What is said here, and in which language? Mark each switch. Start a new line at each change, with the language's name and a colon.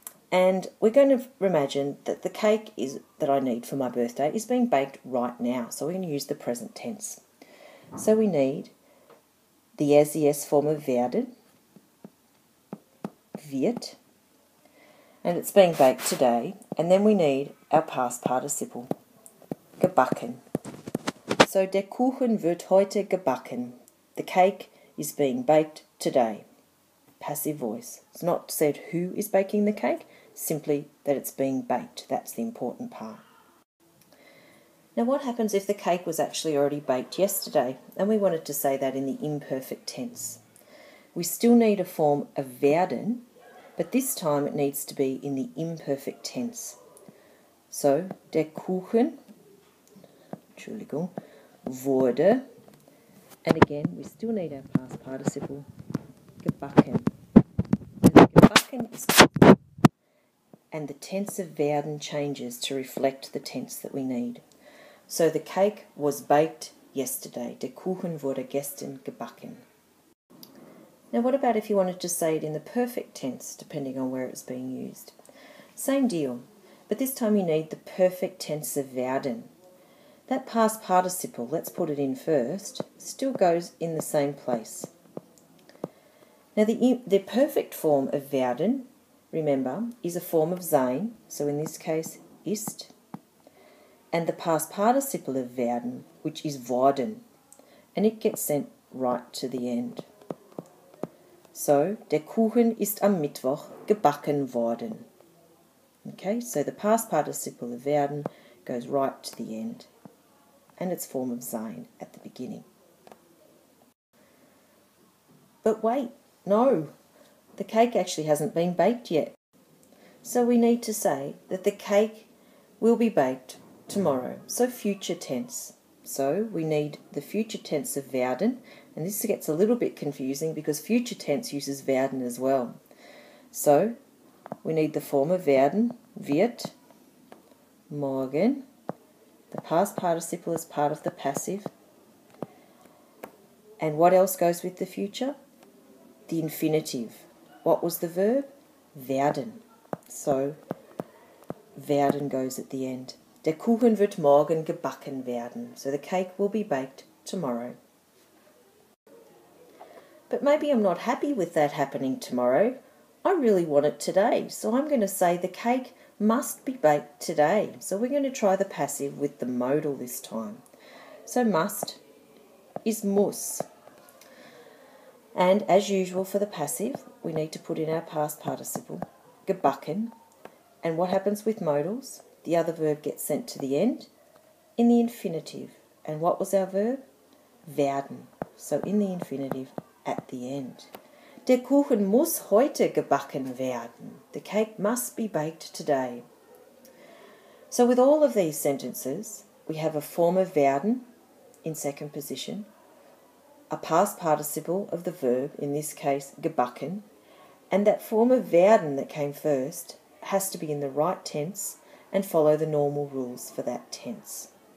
English: And we're going to imagine that the cake is that I need for my birthday is being baked right now. So we're going to use the present tense. So we need the er, sie, es form of werden, wird. And it's being baked today. And then we need our past participle, gebacken.
German: So der Kuchen wird heute gebacken.
English: The cake is being baked today. Passive voice. It's not said who is baking the cake, simply that it's being baked. That's the important part. Now, what happens if the cake was actually already baked yesterday and we wanted to say that in the imperfect tense? We still need a form of werden, but this time it needs to be in the imperfect tense. So,
German: der Kuchen, Entschuldigung, wurde,
English: and again, we still need our past participle, gebacken. and the tense of werden changes to reflect the tense that we need. So the cake was baked yesterday.
German: Der Kuchen wurde gestern gebacken.
English: Now what about if you wanted to say it in the perfect tense, depending on where it's being used? Same deal, but this time you need the perfect tense of werden. That past participle, let's put it in first, still goes in the same place. Now the perfect form of werden, remember, is a form of sein, so in this case, ist, and the past participle of werden, which is worden, and it gets sent right to the end.
German: So, der Kuchen ist am Mittwoch gebacken worden.
English: Okay, so the past participle of werden goes right to the end, and its form of sein at the beginning. But wait, no! The cake actually hasn't been baked yet. So we need to say that the cake will be baked tomorrow. So future tense. So we need the future tense of werden. And this gets a little bit confusing because future tense uses werden as well. So we need the form of werden, wird, morgen. The past participle is part of the passive. And what else goes with the future? The infinitive. What was the verb? Werden. So, werden goes at the end.
German: Der Kuchen wird morgen gebacken werden.
English: So the cake will be baked tomorrow. But maybe I'm not happy with that happening tomorrow. I really want it today. So I'm going to say the cake must be baked today. So we're going to try the passive with the modal this time. So must is muss. And as usual for the passive, we need to put in our past participle, gebacken. And what happens with modals? The other verb gets sent to the end in the infinitive. And what was our verb? Werden. So in the infinitive, at the end.
German: Der Kuchen muss heute gebacken werden.
English: The cake must be baked today. So with all of these sentences, we have a form of werden in second position, a past participle of the verb, in this case, gebacken, and that form of werden that came first has to be in the right tense and follow the normal rules for that tense.